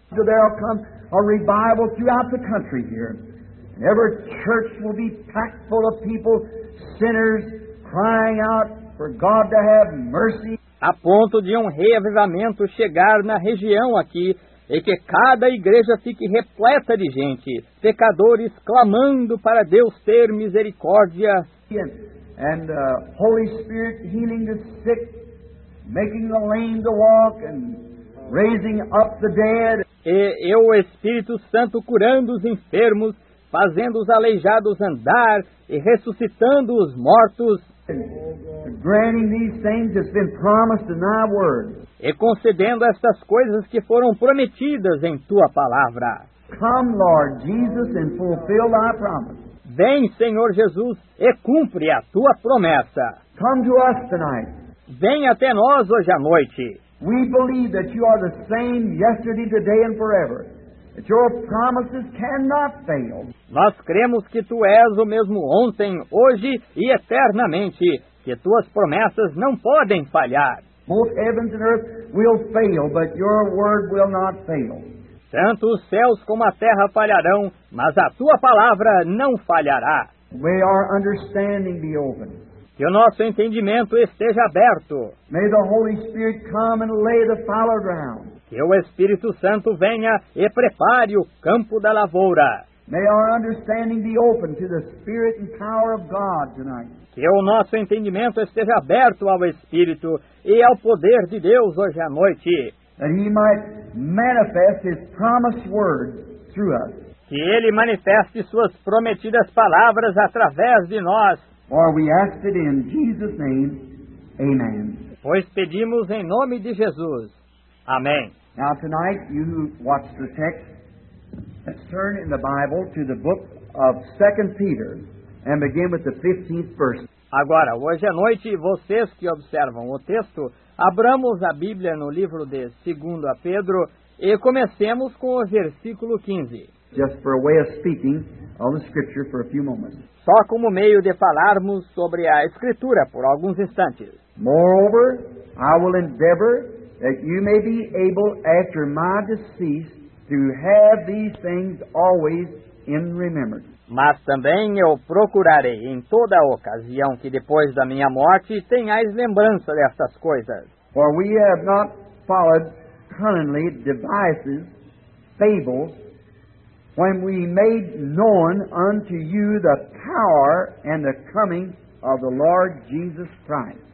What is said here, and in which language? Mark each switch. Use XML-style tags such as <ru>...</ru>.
<en>There will come a revival throughout the country here. Every church will be packed full of people, sinners, crying out for God to have mercy.</en> <pt>A ponto de um reavivamento chegar na região aqui e que cada igreja fique repleta de gente, pecadores clamando para Deus ter misericórdia.</pt> <en>And Holy Spirit healing the sick, making the lame to walk and raising up the dead.</en> <pt>E o Espírito Santo curando os enfermos, fazendo os aleijados andar e ressuscitando os mortos.</pt> <en>Granting these things that's been promised in thy word.</en> <pt>E concedendo estas coisas que foram prometidas em tua palavra.</pt> <en>Come, Lord Jesus, and fulfill thy promise.</en> <pt>Vem, Senhor Jesus, e cumpre a tua promessa.</pt> <en>Come to us tonight.</en> <pt>Vem até nós hoje à noite.</pt> <en>We believe that you are the same yesterday, today, and forever. That your promises cannot fail.</en> <pt>Nós cremos que tu és o mesmo ontem, hoje e eternamente. Que tuas promessas não podem falhar.</pt> <en>Both heavens and earth will fail, but your word will not fail.</en> <pt>Tanto os céus como a terra falharão, mas a tua palavra não falhará.</pt> <en>May our understanding be open.</en> <pt>Que o nosso entendimento esteja aberto.</pt> <en>May the Holy Spirit come and lay the fallow ground.</en> <pt>Que o Espírito Santo venha e prepare o campo da lavoura.</pt> <en>May our understanding be open to the Spirit and power of God tonight.</en> <pt>Que o nosso entendimento esteja aberto ao Espírito e ao poder de Deus hoje à noite.</pt> <en>That He might manifest His promised word through us.</en> <pt>Que Ele manifeste Suas prometidas palavras através de nós.</pt> <en>For we ask it in Jesus' name, amen.</en> <pt>Pois pedimos em nome de Jesus. Amém.</pt> <en>Now tonight, you who watch the text, let's turn in the Bible to the book of 2 Peter and begin with the 15th verse.</en> <pt>Agora, hoje à noite, vocês que observam o texto, abramos a Bíblia no livro de 2 Pedro e comecemos com o versículo 15.</pt> <en>Just for a way of speaking on the scripture for a few moments.</en> <pt>Só como meio de falarmos sobre a Escritura por alguns instantes.</pt> <en>Moreover, I will endeavor that you may be able after my decease to have these things always in remembrance.</en> <pt>Mas também eu procurarei em toda a ocasião que depois da minha morte tenhais lembrança destas coisas.</pt> <en>For we have not followed cunningly devices, fables, when we made known unto you the power and the coming of the Lord Jesus Christ.</en>